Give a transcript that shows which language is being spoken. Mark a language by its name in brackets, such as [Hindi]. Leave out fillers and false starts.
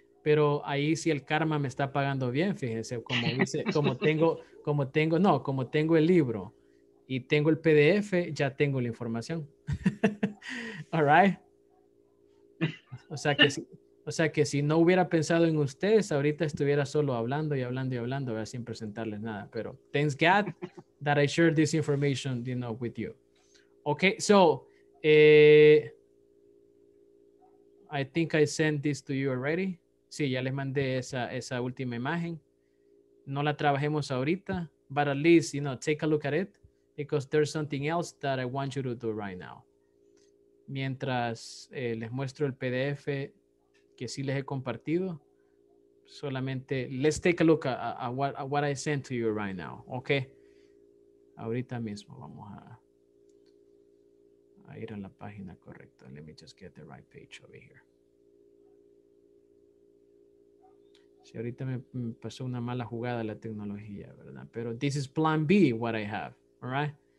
[Spanish] Pero ahí sí el karma me está pagando bien. Fíjense, como dice, como tengo el libro y tengo el PDF, ya tengo la información. All right. O sea que si no hubiera pensado en ustedes, ahorita estuviera solo hablando y hablando y hablando, ¿verdad? Sin presentarles nada. [English] Pero thanks God that I shared this information, you know, with you. Okay, so I think I sent this to you already. [Spanish] Sí, ya les mandé esa última imagen. No la trabajemos ahorita, [English] but at least, you know, take a look at it, because there's something else that I want you to do right now. [Spanish] Mientras les muestro el PDF que sí les he compartido, solamente, [English] let's take a look at what I sent to you right now, okay? [Spanish] Ahorita mismo vamos a ir a la página correcta. [English] Let me just get the right page over here. [Spanish] Sí, ahorita me pasó una mala jugada la tecnología, ¿verdad? [English] Pero this is plan B, what I have, all right?